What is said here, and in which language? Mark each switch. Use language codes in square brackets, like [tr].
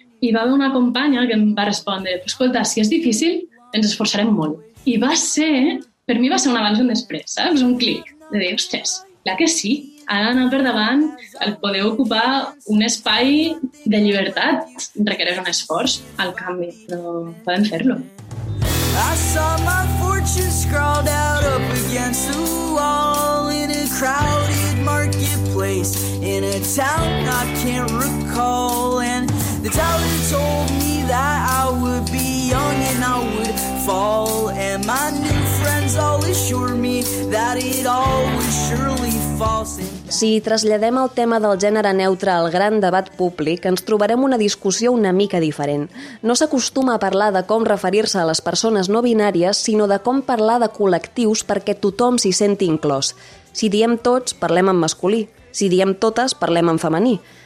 [ca] I va haver una companya que em va respondre, escolta, si és difícil, ens esforçarem molt. I va ser, per mi va ser un abans i un després, saps? Un clic de dir, ostres, clar que sí, ha d'anar per davant, el poder ocupar un espai de llibertat requereix un esforç al canvi, però podem fer-lo. [en] I saw my fortune scrawled out up against the wall in a crowded marketplace in a town I can't recall and the teller told me that I would be young and I would fall and my new friends all assured me that it all would surely fall. [ca] Si traslladem el tema del gènere neutre al gran debat públic, ens trobarem una discussió una mica diferent. No s'acostuma a parlar de com referir-se a les persones no binàries, sinó de com parlar de col·lectius perquè tothom s'hi senti inclòs. Si diem tots, parlem en masculí. Si diem totes, parlem en femení.